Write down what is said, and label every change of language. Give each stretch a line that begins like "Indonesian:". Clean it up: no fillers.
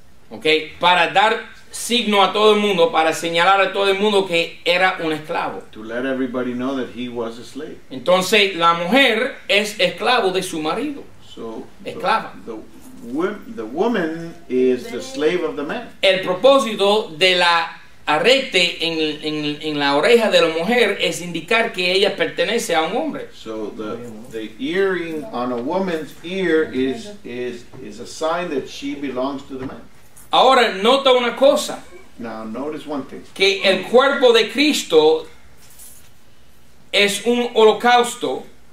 Spanish: Okay, para dar signo a todo el mundo, para señalar a todo el mundo que era un esclavo.
English: To let everybody know that he was a slave.
Spanish: Entonces la mujer es esclavo de su marido.
English: So
Spanish: esclava.
English: The woman is the slave of the man.
Spanish: El propósito de la arete en la oreja de la mujer es indicar que ella pertenece a un hombre.
English: So the earring on a woman's ear is a sign that she belongs to the man.
Spanish: Ahora nota una cosa.
English: Now notice one thing.
Spanish: Que el cuerpo de Cristo es un holocausto.